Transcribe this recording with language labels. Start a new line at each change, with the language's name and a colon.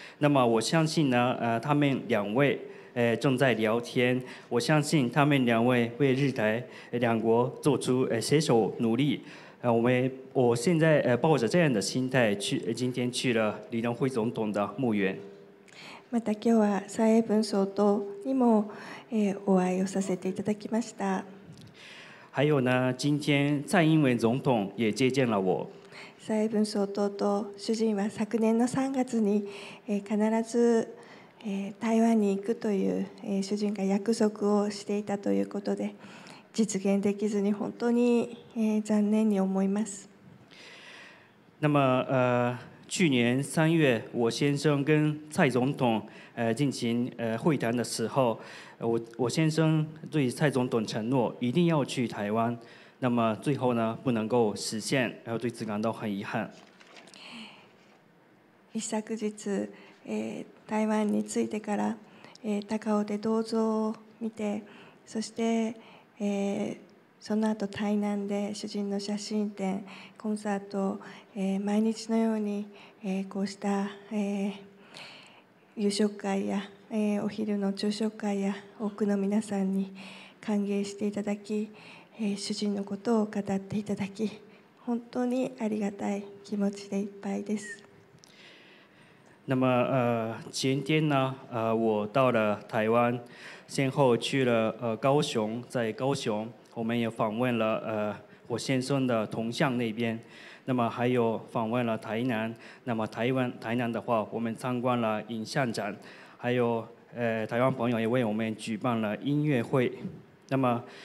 Chinese: 那么我相信呢，他们两位正在聊天，我相信他们两位为日台两国做出携手努力。我现在抱着这样的心态去今天去了李登辉总统的墓园。
Japanese: また今日は蔡英文総統にもお会いをさせていただきました。
Chinese: 还有呢，今天蔡英文总统也接见了我。
Japanese: 蔡英文総統と主人は昨年の3月に必ず台湾に行くという主人が約束をしていたということで実現できずに本当に残念に思います。
Chinese: 那么去年三月，我先生跟蔡总统进行会谈的时候，我先生对蔡总统承诺一定要去台湾，那么最后呢不能够实现，然后对此感到很遗憾。
Japanese: 一昨日台湾に着いてから高雄で銅像を見て、そしてその後台南で主人の写真展コンサート毎日のようにこうした夕食会やお昼の昼食会や多くの皆さんに歓迎していただき主人のことを語っていただき本当にありがたい気持ちでいっぱいです。
Chinese: 那么前天呢我到了台湾，先后去了高雄，在高雄我们也访问了我先生的铜像那边，那么还有访问了台南，那么台南的话，我们参观了影像展，还有台湾朋友也为我们举办了音乐会，那么